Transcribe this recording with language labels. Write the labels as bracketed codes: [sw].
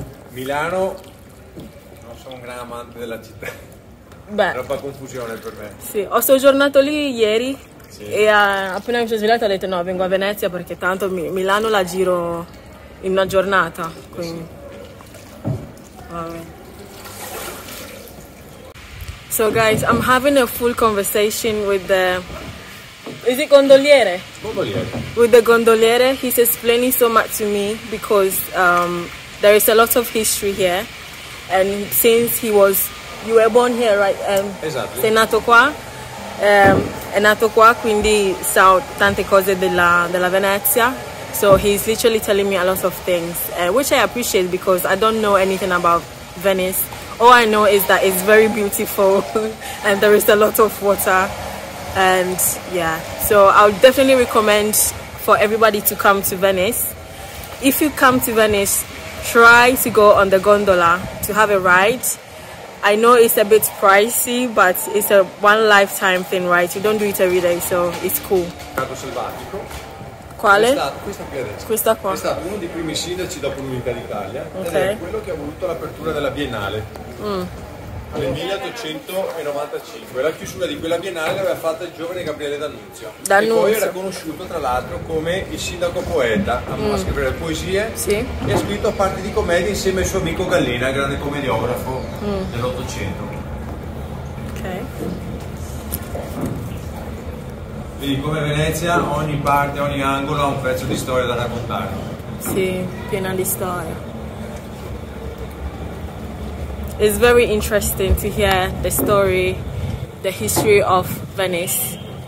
[it] Milano, non sono un gran amante della città, troppa confusione per me. Sì, ho soggiornato lì ieri sì. E appena mi sono svegliata ho detto no, vengo a Venezia perché tanto Milano la giro in una giornata, quindi sì. [en] So guys, I'm having a full conversation with the... Is it gondoliere? [it] Gondoliere. [en] With the gondoliere, he's explaining so much to me because... there is a lot of history here, and since you were born here, right? [it] Esatto. Sei nato qua, è nato qua, quindi sa tante cose della Venezia. [en] So he's literally telling me a lot of things, which I appreciate because I don't know anything about Venice. All I know is that it's very beautiful, and there is a lot of water, and yeah. So I'll definitely recommend for everybody to come to Venice. If you come to Venice, try to go on the gondola to have a ride. I know it's a bit pricey, but it's a one lifetime thing, right? You don't do it every day, so it's cool. [it] Lago selvatico. Quale? Questa qui adesso. Questa qua. È stato uno dei primi sindaci dopo l'unità d'Italia. Okay. Ed è quello che ha voluto l'apertura della Biennale. Nel 1895. La chiusura di quella Biennale l'aveva fatta il giovane Gabriele D'Annunzio. D'Annunzio. E poi era conosciuto, tra l'altro, come il sindaco poeta. Amava scrivere poesie. Sì. E ha scritto parti di commedia insieme al suo amico Gallina, grande commediografo dell'Ottocento. Ok. Quindi come Venezia, ogni parte, ogni angolo ha un pezzo di storia da raccontare. Sì, piena di storia. [en] It's very interesting to hear the story, the history of Venice.